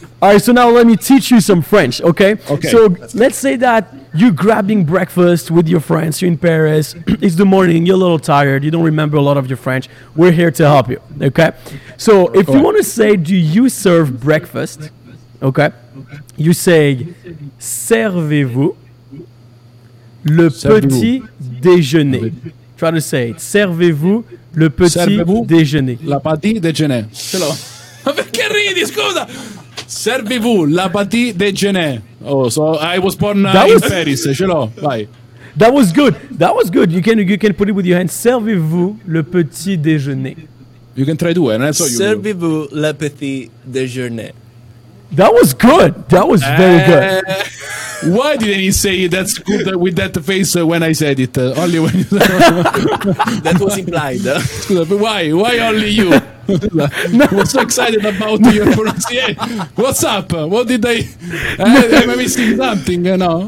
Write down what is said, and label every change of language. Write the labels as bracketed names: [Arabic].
[English] All right. So now let me teach you some French. Okay. Okay. So let's say that you're grabbing breakfast with your friends. You're in Paris. It's the morning. You're a little tired. You don't remember a lot of your French. We're here to help you. Okay. So if you want to say, do you serve breakfast? Okay. You say, [French] servez-vous le petit déjeuner. [English] Try to say it. [French] Servez-vous le petit déjeuner. La petit déjeuner. [Italian] Ce l'ho. Ma perché ridi, scusa? [French] Servez-vous la petit déjeuner. [English] Oh, so I was born in Paris. [Italian] Ce l'ho. Vai. [English] That was good. That was good. You can put it with your hand. [French] Servez-vous le petit déjeuner. [English] You can try to do it. [French] Servez-vous le petit déjeuner. [English] That was good. That was very good. Why didn't he say that's good with that face when I said it? Only when that was implied. Why? Why only you? No. I was so excited about your pronunciation. What's up? What did I? Am I missing something? You know?